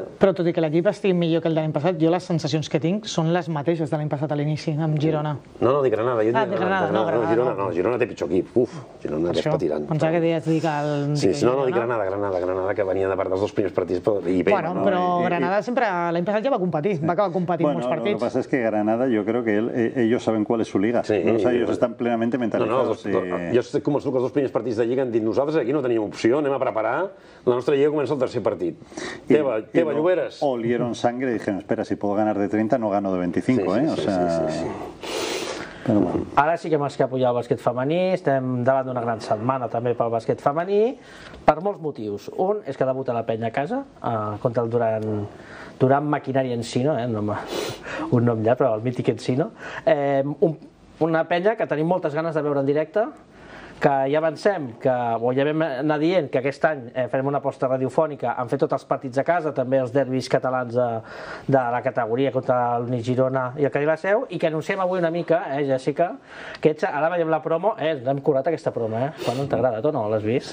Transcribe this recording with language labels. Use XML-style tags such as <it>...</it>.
<ca>Però tot i que l'equip estigui millor que el de l'any passat, jo les sensacions que tinc són les mateixes de l'any passat a l'inici, amb Girona. No, no, de Granada. Ah, de Granada, no, Granada. Girona té pitjor equip. Uf, Girona és patirant. Pensava que deies dir que el... Sí, no, no, de Granada, que venia de part dels dos primers partits. Bueno, però Granada sempre, l'any passat ja va competir, va acabar competint molts partits.</ca> <es>Bueno, lo que pasa es que Granada, yo creo que ellos saben cuál es su liga. Sí. Ellos están plenamente mentalizados.</es> <ca>Jo sé com els dos primers partits de Lliga han dit, nosaltres aquí no teníem opció, anem a preparar, la nostra Lliga comença el tercer partit. Teva, Lloberes.</ca> <es>Olieron sangre y dijeron, espera, si puedo ganar de 30, no gano de 25, sí, sí, ¿eh? O sí, sea... Pero bueno.</es> <ca>Ara sí que hem escapullat el bàsquet femení, estem davant d'una gran setmana també pel bàsquet femení, per molts motius. Un és que debuta la penya a casa, contra el Durant Maquinari Encino, eh? Un nom llarg, però el mític Encino. Una penya que tenim moltes ganes de veure en directe, que ja avancem, que ja vam anar dient que aquest any farem una aposta radiofònica, han fet tots els partits a casa, també els derbis catalans de la categoria contra el Unix Girona i el Cadí-la-Seu, i que anunciem avui una mica, Jessica, que ets, ara veiem la promo, l'hem currat aquesta promo, quan no t'agrada, tu no l'has vist?</ca>